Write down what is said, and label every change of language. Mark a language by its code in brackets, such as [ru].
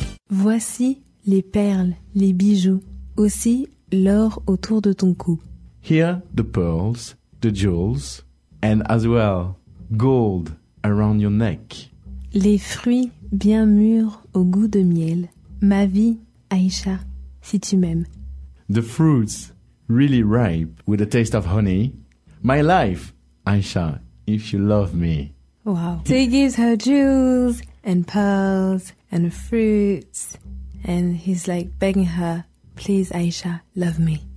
[fr] Voici les perles, les bijoux, aussi l'or autour de ton cou. [en] Here the pearls, the jewels, and as well gold around your neck. [fr] Les fruits bien mûrs au goût de miel. Ma vie, Aïcha, si tu m'aimes. [en] The fruits really ripe with a taste of honey. My life, Aïcha, if you love me. Wow. So he gives her jewels and pearls and fruits. And he's like begging her, please, Aïcha, love me.